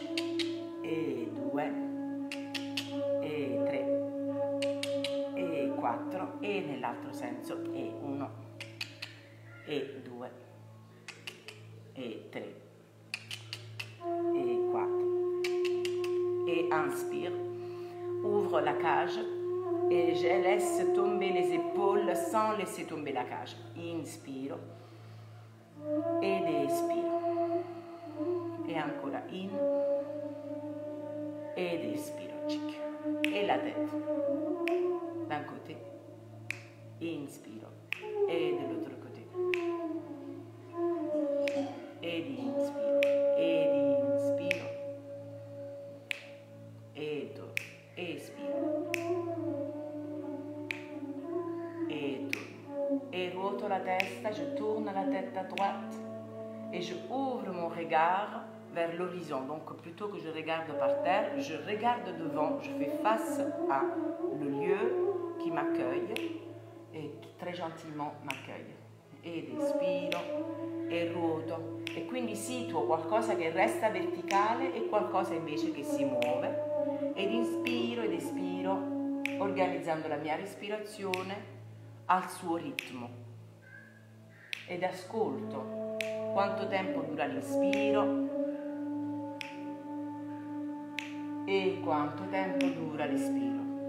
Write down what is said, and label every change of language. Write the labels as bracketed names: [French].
[Italian] 1 e 2. E 3 e 4 e nell'altro senso e 1 e 2 e 3 e 4 e inspire, ouvre la cage e je laisse tomber les épaules sans laisser tomber la cage. Inspiro ed espiro e ancora in ed espiro. E la tête d'un côté, inspiro, e dell'altro côté, ed inspiro, e tu, espiro, [French] e tu, e ruoto la testa, je tourne la tête à droite, e je ouvre mon regard vers l'horizon, donc plutôt que je regarde par terre, je regarde devant, je fais face à le lieu qui m'accueille et qui très gentiment m'accueille. [Italian] Ed espiro e ruoto e quindi situo qualcosa che resta verticale e qualcosa invece che si muove, ed espiro organizzando la mia respirazione al suo ritmo ed ascolto quanto tempo dura l'inspiro e quanto tempo dura l'espiro.